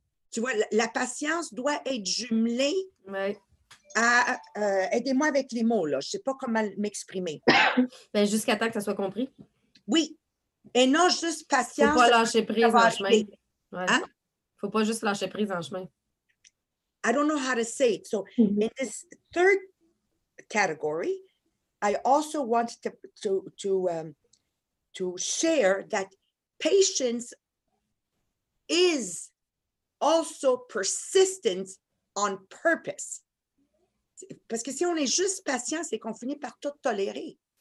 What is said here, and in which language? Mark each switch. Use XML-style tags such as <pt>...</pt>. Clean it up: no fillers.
<fr>Tu vois, la patience doit être jumelée. Oui. Aidez-moi avec les mots, là. Je ne sais pas comment m'exprimer. Ben, jusqu'à temps que ça soit compris. Oui. Et non juste patience. Il ne faut pas lâcher prise en chemin. Il ouais. ne faut pas juste lâcher prise en chemin.</fr> <en>I don't know how to say it. So, in this third category, I also want to share that patience is also persistence on purpose.</en> <fr>Parce que si on est juste patient, c'est qu'on finit par tout tolérer.</fr>